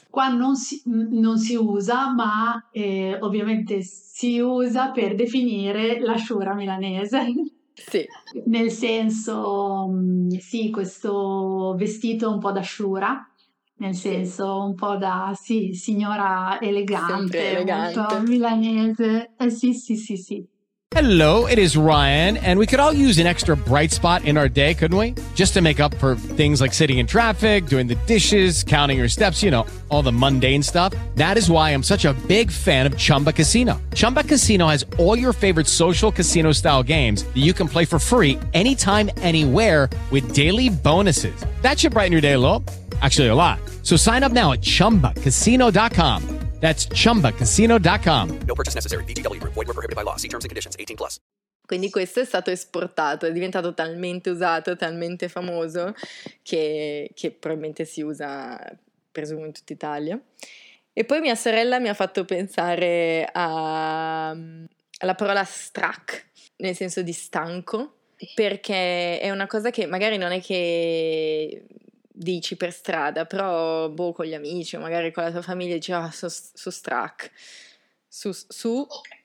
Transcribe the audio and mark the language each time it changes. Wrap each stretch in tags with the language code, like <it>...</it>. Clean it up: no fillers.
<it>Qua non si usa, ma ovviamente si usa per definire la sciura milanese. Sì. Nel senso, sì, questo vestito un po' da sciura. Nel senso, un po' da, sì, signora elegante, molto milanese, sì, sì, sì, sì.</it> <en>Hello, it is Ryan, and we could all use an extra bright spot in our day, couldn't we? Just to make up for things like sitting in traffic, doing the dishes, counting your steps, you know, all the mundane stuff. That is why I'm such a big fan of Chumba Casino. Chumba Casino has all your favorite social casino-style games that you can play for free anytime, anywhere with daily bonuses. That should brighten your day a little. Actually, a lot. So sign up now at chumbacasino.com. That's chumbacasino.com. No purchase necessary. VGW. Void where prohibited by law. See terms and conditions. 18 plus.</en> <it>Quindi questo è stato esportato, è diventato talmente usato, talmente famoso, che probabilmente si usa, presumo, in tutta Italia. E poi mia sorella mi ha fatto pensare alla parola struck, nel senso di stanco, perché è una cosa che magari non è che dici per strada, però boh, con gli amici o magari con la tua famiglia dici, oh, so struck, su okay.</it>